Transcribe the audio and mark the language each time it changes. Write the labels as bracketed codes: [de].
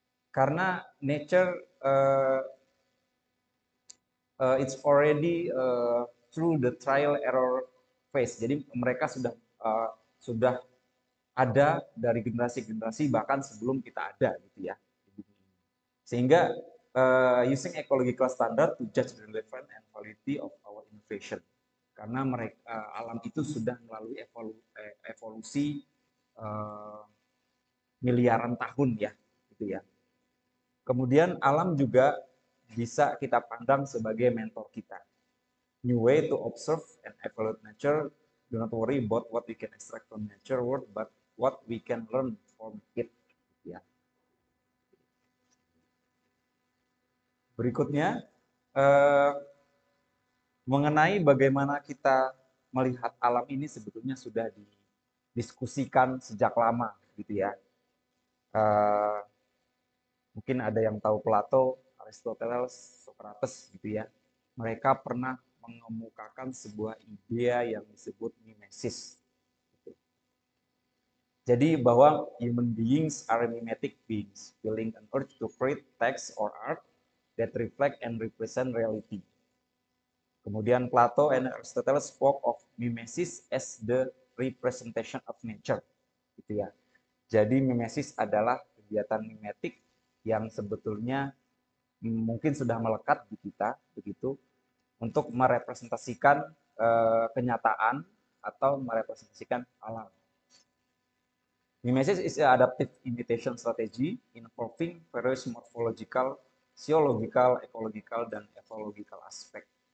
[en] Karena nature it's already through the trial error phase. [id] Jadi mereka sudah ada dari generasi-generasi bahkan sebelum kita ada gitu ya di bumi ini. [en] Sehingga using ecological standard to judge the relevant and quality of our innovation. [id] Karena mereka alam itu sudah melalui evolusi miliaran tahun ya gitu ya. Kemudian alam juga bisa kita pandang sebagai mentor kita. [en] New way to observe and evaluate nature. Do not worry about what we can extract from nature world, but what we can learn from it. [id] Ya. Berikutnya, mengenai bagaimana kita melihat alam ini sebetulnya sudah didiskusikan sejak lama, gitu ya. Mungkin ada yang tahu Plato, Aristoteles, Socrates gitu ya. Mereka pernah mengemukakan sebuah ide yang disebut mimesis. Jadi bahwa [en] human beings are mimetic beings, feeling an urge to create text or art that reflect and represent reality. Kemudian Plato and Aristoteles spoke of mimesis as the representation of nature. [id] Gitu ya. Jadi mimesis adalah kegiatan mimetik yang sebetulnya mungkin sudah melekat di kita begitu, untuk merepresentasikan kenyataan atau merepresentasikan alam. [en] Mimesis is an adaptive imitation strategy involving various morphological, psychological, ecological, dan ecological aspect.